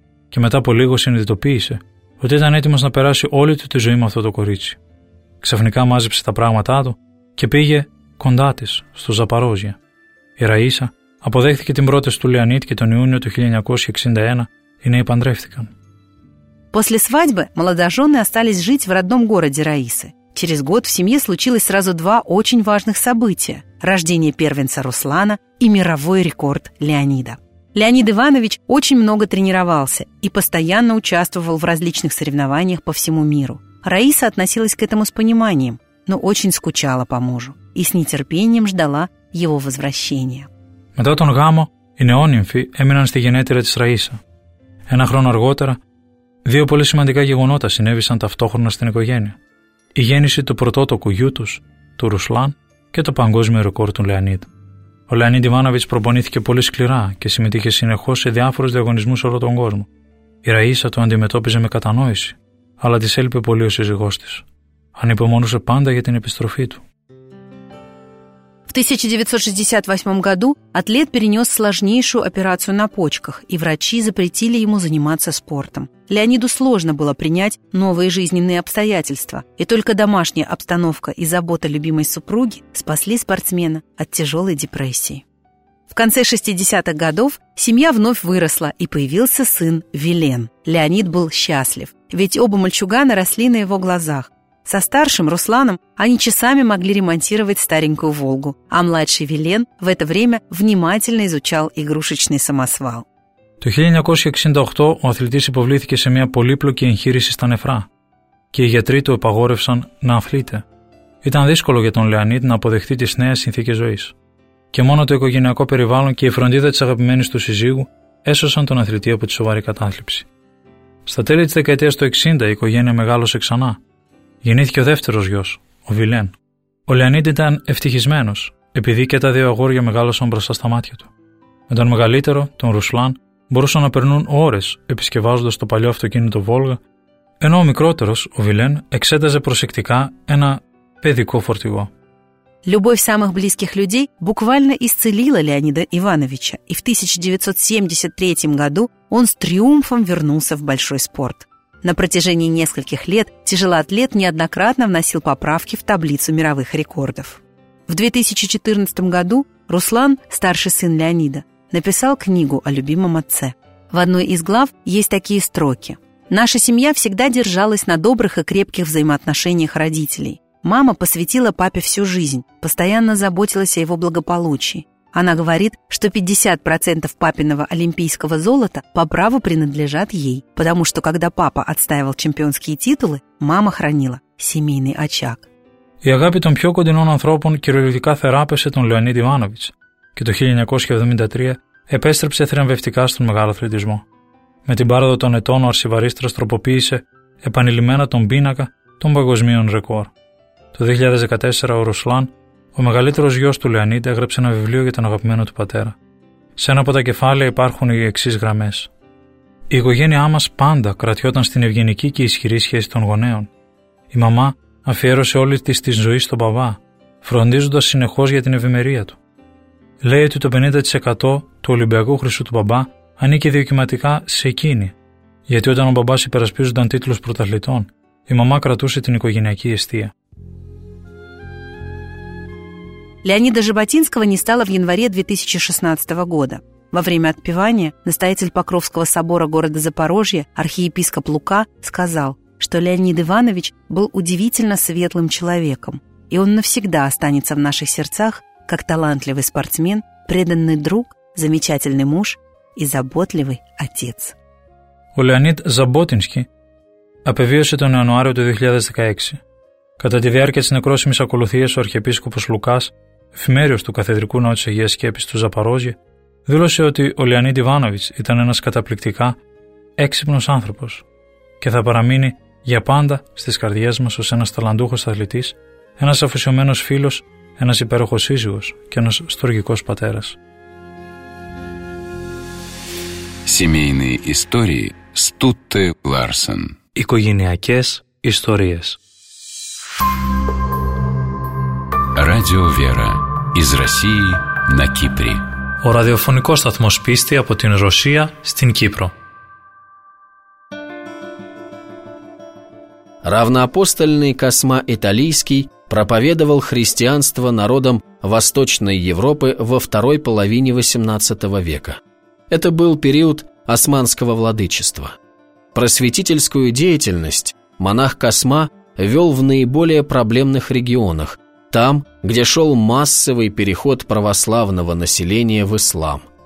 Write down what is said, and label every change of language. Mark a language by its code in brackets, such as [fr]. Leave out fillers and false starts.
[el] Και μετά από λίγο συνειδητοποίησε ότι ήταν έτοιμος να περάσει όλη του τη ζωή με αυτό το κορίτσι. Ξαφνικά μάζεψε τα πράγματά του και πήγε κοντά της, στο Ζαπαρόζια. Η Ραΐσα αποδέχθηκε την πρόταση του Λεωνίδ και τον Ιούνιο του 1961 οι νέοι παντρεύτηκαν. [ru] После свадьбы молодожены остались жить в родном городе Раисы. Через год в семье случилось сразу два очень важных события – рождение первенца Руслана и мировой рекорд Леонида. Леонид Иванович очень много тренировался и постоянно участвовал в различных соревнованиях по всему миру. Раиса относилась к этому с пониманием, но очень скучала по мужу и с нетерпением ждала его возвращения. [el] Мета тон гамо, и неонимфи эминан сте генетира тис Раиса. Ένα хрон арготера – δύο πολύ σημαντικά γεγονότα συνέβησαν ταυτόχρονα στην οικογένεια. Η γέννηση του πρωτότοκου γιού τους, του Ρουσλάν, και το παγκόσμιο ρεκόρ του Λεωνίδ. Ο Λεωνίδ Ιβάνοβιτς προπονήθηκε πολύ σκληρά και συμμετείχε συνεχώς σε διάφορους διαγωνισμούς όλο τον κόσμο. Η Ραΐσα το αντιμετώπιζε με κατανόηση, αλλά της έλειπε πολύ ο σύζυγός της. Ανυπομονούσε πάντα για την επιστροφή του. [ru] В 1968 году атлет перенес сложнейшую операцию на почках, и врачи запретили ему заниматься спортом. Леониду сложно было принять новые жизненные обстоятельства, и только домашняя обстановка и забота любимой супруги спасли спортсмена от тяжелой депрессии. В конце 60-х годов семья вновь выросла, и появился сын Вилен. Леонид был счастлив, ведь оба мальчугана росли на его глазах. Со старшим Русланом они часами могли ремонтировать старенькую «Волгу», а младший Вилен в это время внимательно изучал игрушечный самосвал. [el] Το 1968 ο αθλητής υποβλήθηκε σε μια πολύπλοκη εγχείρηση στα νεφρά και οι γιατροί του απαγόρευσαν να αθλείται. Ήταν δύσκολο για τον Λεωνίδ να αποδεχτεί τις νέες συνθήκες ζωής. Και μόνο το οικογενειακό περιβάλλον και η φροντίδα της αγαπημένης του συζύγου έσωσαν τον αθλητή από τη σοβαρή κατάθλιψη. Στα τέλη της δεκαετίας του 60 η οικογένεια μεγάλωσε ξανά. Γεννήθηκε ο δεύτερος γιος, ο Βιλέν. Ο Λεωνίδ ήταν ευτυχισμένος, επειδή και τα δύο αγόρια μεγάλωσαν μπροστά στα μάτια του. Με τον μεγαλύτερο, τον Ρουσλάν, μπορούσαν να περνούν ώρες επισκευάζοντας το παλιό αυτοκίνητο Βόλγα, ενώ ο μικρότερος, ο Βιλέν, εξέταζε προσεκτικά ένα παιδικό φορτηγό. [ru] Любовь самых близких людей буквально исцелила Леонида Ивановича, и в 1973 году он с триумфом вернулся в большой спорт. На протяжении нескольких лет тяжелоатлет неоднократно вносил поправки в таблицу мировых рекордов. В 2014 году Руслан, старший сын Леонида, написал книгу о любимом отце. В одной из глав есть такие строки. «Наша семья всегда держалась на добрых и крепких взаимоотношениях родителей. Мама посвятила папе всю жизнь, постоянно заботилась о его благополучии. Она говорит, что 50% папиного олимпийского золота по праву принадлежат ей, потому что когда папа отстаивал чемпионские титулы, мама хранила семейный очаг. [el] Η αγάπη των πιο κοντινών ανθρώπων κυριολεκτικά θεράπευσε τον Λεωνίδ Ιβάνοβιτς και το 1973 επέστρεψε θριαμβευτικά στον μεγάλο αθλητισμό. Με την πάροδο των ετών ο αρσιβαρίστρας τροποποίησε επανειλημμένα τον πίνακα των παγκοσμίων ρεκόρ. Το 2014 ο Ρουσλάν, ο μεγαλύτερος γιος του Λεωνίδ, έγραψε ένα βιβλίο για τον αγαπημένο του πατέρα. Σε ένα από τα κεφάλαια υπάρχουν οι εξής γραμμές. Η οικογένειά μας πάντα κρατιόταν στην ευγενική και ισχυρή σχέση των γονέων. Η μαμά αφιέρωσε όλη της τη ζωή στον παπά, φροντίζοντας συνεχώς για την ευημερία του. Λέει ότι το 50% του Ολυμπιακού χρυσού του παπά ανήκει δικαιωματικά σε εκείνη, γιατί όταν ο παπάς υπερασπίζονταν τίτλους πρωταθλητών, η μαμά κρατούσε την οικογενειακή αιστεία. [ru] Леонида Жаботинского не стало в январе 2016 года. Во время отпевания настоятель Покровского собора города Запорожья, архиепископ Лука, сказал, что Леонид Иванович был удивительно светлым человеком, и он навсегда останется в наших сердцах как талантливый спортсмен, преданный друг, замечательный муж и заботливый отец. [el] Ο Леонид Жаботинский απεβίωσε τον Ιανουάριο του 2016. Κατά τη διάρκεια της νεκρόσιμης ακολουθίας ο αρχιεπίσκοπος Λουκάς, εφημέριος του Καθεδρικού Ναού της Αγίας Σκέπης του Ζαπαρόζια, δήλωσε ότι ο Λεωνίδ Ιβάνοβιτς ήταν ένας καταπληκτικά έξυπνος άνθρωπος και θα παραμείνει για πάντα στις καρδιές μας ως ένας ταλαντούχος αθλητής ένας αφοσιωμένος φίλος, ένας υπέροχος σύζυγος και ένας στοργικός πατέρας. [ru] Семейные истории Стутте Ларсен. [el] Οικογενειακές ιστορίες. [ru] Радио Вера. Из России на Кипре. [el] Ο ραδιοφωνικός σταθμός πίστη από την Ρωσία στην Κύπρο. [ru] Равноапостольный Косма Италийский проповедовал христианство народам Восточной Европы во второй половине XVIII века. Это был период османского владычества. Просветительскую деятельность монах Косма вел в наиболее проблемных регионах, там, где шел массовый переход православного населения в ислам.